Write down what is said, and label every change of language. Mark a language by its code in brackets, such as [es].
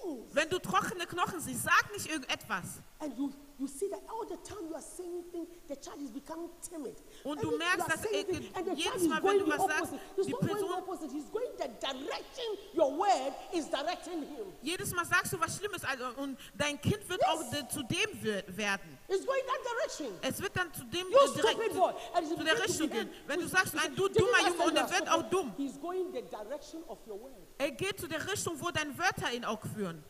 [de] Wenn du trockene Knochen siehst, sag nicht irgendetwas. [en] You see that all the time you are saying things, the child is becoming timid. [de] Und du merkst, dass jedes Mal, wenn du was sagst, die Person [en] is going the direction your word is directing him. [de] Jedes Mal sagst du was Schlimmes, also, und dein Kind wird auch zu dem werden. [en] It's going that direction. [de] Es wird dann zu dem zu der Richtung gehen. Wenn du sagst, ein du dummer Junge, und er wird auch dumm. [en] He's going the direction of your word. [de] Er geht zu der Richtung, wo deine Wörter ihn auch führen.